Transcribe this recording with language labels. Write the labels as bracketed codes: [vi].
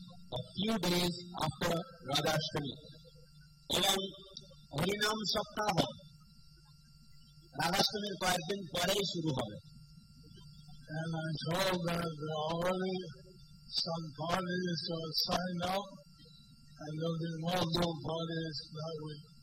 [en] a few days after Radha Ashtami. [bn] এবং হরিনাম সপ্তাহ রাধাষ্টমীর কয়েকদিন পরেই শুরু হবে [en] and I'm told that there are already some parties who have signed up and there will be more known parties that week.